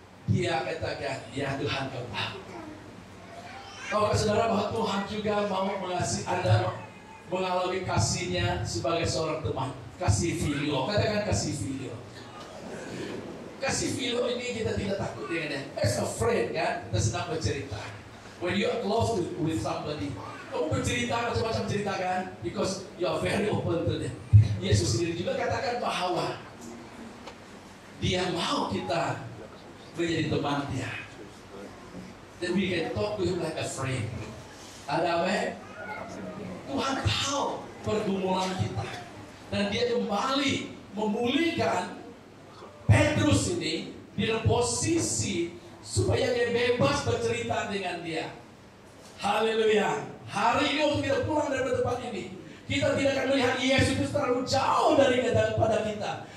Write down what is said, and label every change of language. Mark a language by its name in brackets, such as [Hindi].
[Malay] Dia katakan, ya Tuhan kepada. Kau saudara bahwa Tuhan juga mau mengasihi Anda, mengalami kasihnya sebagai seorang teman. Kasih filio, katakan kasih filio. Kasih filio ini kita tidak takut dengannya. [English] It's a friend [Malay] kan, kita senang bercerita. [English] When you are close with somebody, [Malay] kamu bercerita macam-macam cerita kan, [English] because you are very open to them. [Malay] Yesus sendiri juga katakan bahwa dia mau kita menjadi teman dia. [English] Then we can talk to him like a friend. [Malay] Ada apa? Tuhan tahu pergumulan kita, dan dia kembali memulihkan Petrus ini di posisi supaya dia bebas bercerita dengan dia. Haleluya. Hari ini waktu kita pulang dari tempat ini, kita tidak akan melihat Yesus itu terlalu jauh dari daripada kita.